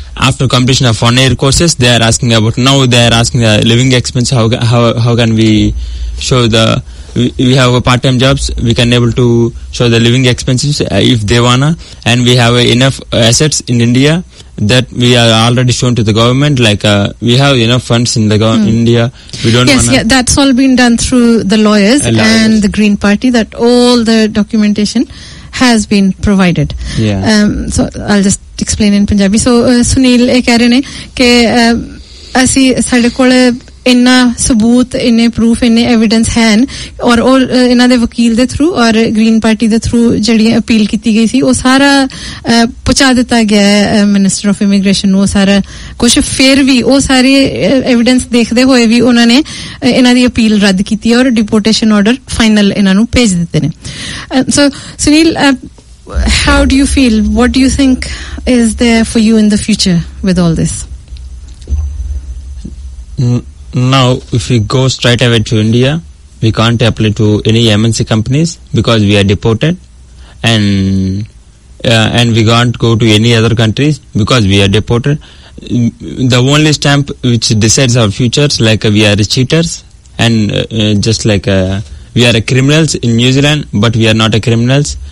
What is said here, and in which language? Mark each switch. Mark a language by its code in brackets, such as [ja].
[en] After completion of 1 year courses, they are asking about, now they are asking the living expense, how can we show the, we have a part-time jobs, we can able to show the living expenses if they wanna, and we have enough assets in India that we are already shown to the government, like we have enough funds in the India. We don't yes, yeah, that's all been done through the lawyers and the Green Party, that all the documentation has been provided. Yeah. So I'll just explain in Punjabi. [pa] So Sunil eh keh rahe ne ke assi sade kol ਇੰਨਾ ਸਬੂਤ ਇੰਨੇ proof ਇੰਨੇ evidence ਹੈ ਔਰ ਉਹ ਇਹਨਾਂ ਦੇ ਵਕੀਲ ਦੇ ਥਰੂ ਔਰ ਗ੍ਰੀਨ ਪਾਰਟੀ ਦੇ ਥਰੂ ਜਿਹੜੀ ਅਪੀਲ ਕੀਤੀ ਗਈ ਸੀ ਉਹ ਸਾਰਾ ਪਹੁੰਚਾ ਦਿੱਤਾ ਗਿਆ ਮਿਨਿਸਟਰ ਆਫ ਇਮੀਗ੍ਰੇਸ਼ਨ ਨੂੰ ਉਹ ਸਾਰਾ ਕੁਛ ਫਿਰ ਵੀ ਉਹ ਸਾਰੇ ਐਵੀਡੈਂਸ ਦੇਖਦੇ ਹੋਏ ਵੀ ਉਹਨਾਂ ਨੇ ਇਹਨਾਂ ਦੀ ਅਪੀਲ ਰੱਦ ਕੀਤੀ ਔਰ ਡਿਪੋਰਟੇਸ਼ਨ ਆਰਡਰ ਫਾਈਨਲ ਇਹਨਾਂ ਨੂੰ ਭੇਜ ਦਿੱਤੇ ਨੇ [en] So Sunil how do you feel what do you think is there for you in the future with all this Now, if we go straight away to India, we can't apply to any MNC companies because we are deported, and we can't go to any other countries because we are deported. The only stamp which decides our futures, like we are cheaters, and just like we are criminals in New Zealand, but we are not criminals.